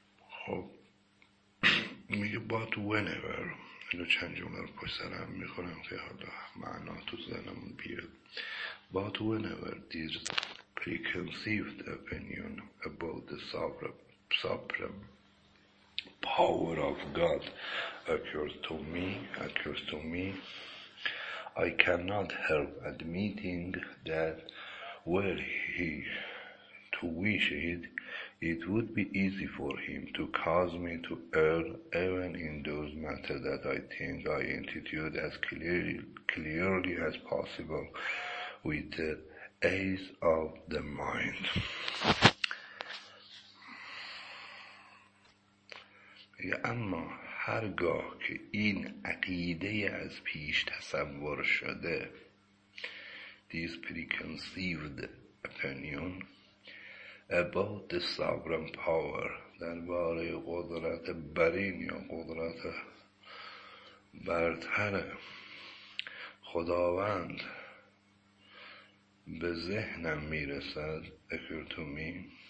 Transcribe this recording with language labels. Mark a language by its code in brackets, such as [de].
[fa] خب میگه but whenever اینو چند جمله رو پشت سر هم می خورم که حالا معنا تو ذهنم بیاد. [en] But whenever this preconceived opinion about the supreme power of God occurs to me, I cannot help admitting that were he to wish it, it would be easy for him to cause me to err even in those matters that I think I intuited as clearly as possible with the aid of the mind. [fa] اما هرگاه که این عقیده از پیش تصور شده this preconceived opinion about the sovereign power در باره قدرت برین یا قدرت برتر خداوند به ذهنم میرسد occur to me